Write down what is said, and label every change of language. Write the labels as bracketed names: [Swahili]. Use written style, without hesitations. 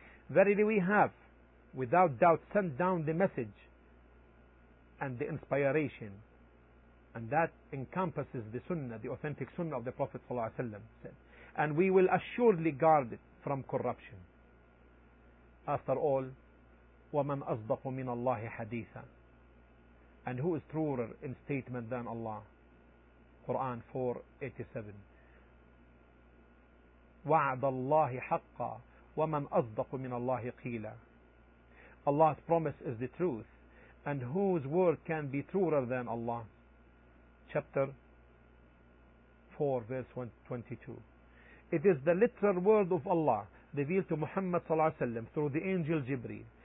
[English] Verily we have, without doubt, sent down the message and the inspiration, and that encompasses the sunnah, the authentic sunnah of the Prophet صلى الله عليه وسلم, said, and we will assuredly guard it from corruption. After all, [Arabic] وَمَنْ أَصْدَقُ مِنَ اللَّهِ حَدِيثًا. [English] And who is truer in statement than Allah? Quran 487. [Arabic] وعد الله حقا ومن أصدق من الله قيلا. [English] Allah's promise is the truth, and whose word can be truer than Allah? Chapter 4, verse 22. It is the literal word of Allah revealed to Muhammad صلى الله عليه وسلم through the angel Jibreel.